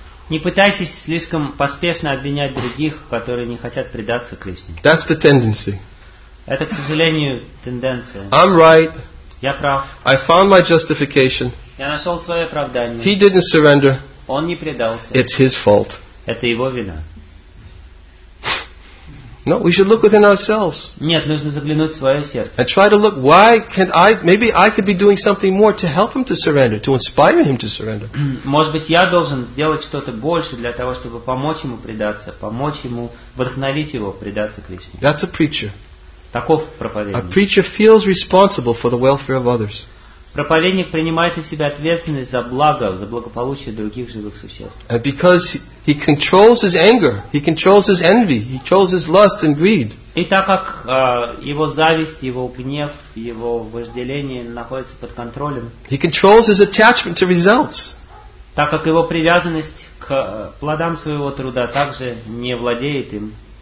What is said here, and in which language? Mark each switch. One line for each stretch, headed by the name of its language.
Russian: Не пытайтесь слишком поспешно обвинять других, которые не хотят предаться Кришне.
English: That's the tendency.
Russian: Это, к сожалению, тенденция.
English: I'm right.
Russian: Я прав.
English: I found my justification.
Russian: Я нашел свое оправдание.
English: He didn't surrender.
Russian: Он не предался.
English: It's his fault.
Russian: Это его вина.
English: No, we should look within ourselves.
Russian: Нет, нужно заглянуть в свое сердце.
English: And try to look, why can't I, maybe I could be doing something more to help him to surrender, to inspire him to surrender.
Russian: Может быть, я должен сделать что-то больше для того, чтобы помочь ему предаться, помочь ему, вдохновить его предаться Кришне.
English: That's a preacher.
Russian: Таков проповедник.
English: A preacher feels responsible for the welfare of others.
Russian: Проповедник принимает на себя ответственность за благо, за благополучие других живых существ.
English: And because he controls his anger, he controls his envy, he controls his lust and greed.
Russian: И так как его зависть, его гнев, его вожделение находятся под контролем.
English: He controls his attachment to results.
Russian: Так как его привязанность к плодам своего труда также не владеет им.